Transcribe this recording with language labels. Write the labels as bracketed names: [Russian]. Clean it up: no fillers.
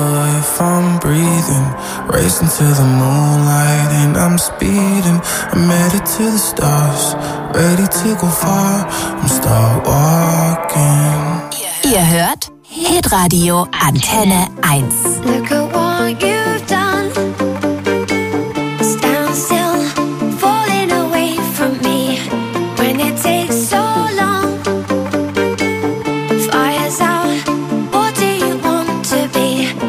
[English] Racing to the moonlight and I'm speeding. I'm headed to the stars, ready to go far. I'm start walking. [German] Ihr hört Hitradio Antenne 1. [English] Look at what you've done. Stand still, falling away from me. When it takes so long, fire's out, what do you want to be?